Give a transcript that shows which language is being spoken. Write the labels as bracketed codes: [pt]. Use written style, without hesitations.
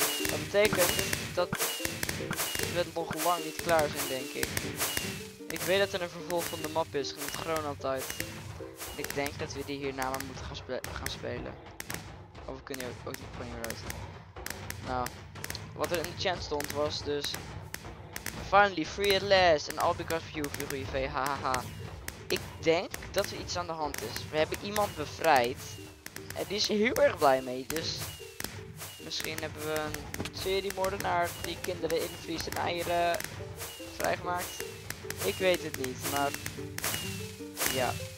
[nl] Dat betekent dat we nog lang niet klaar zijn, denk ik. Ik weet dat er een vervolg van de map is, genoemd Chronotide. Ik denk dat we die hierna maar moeten gaan spelen. Of we kunnen ook niet van hier uit. Nou, wat er in de chat stond was dus... [en] Finally, free at last, and all because of you, Virive, hahaha. [nl] Ik denk dat er iets aan de hand is. We hebben iemand bevrijd. En die is heel erg blij mee, dus... Misschien hebben we een seriemoordenaar die kinderen invriest en eieren vrijgemaakt. Ik weet het niet, maar... Ja...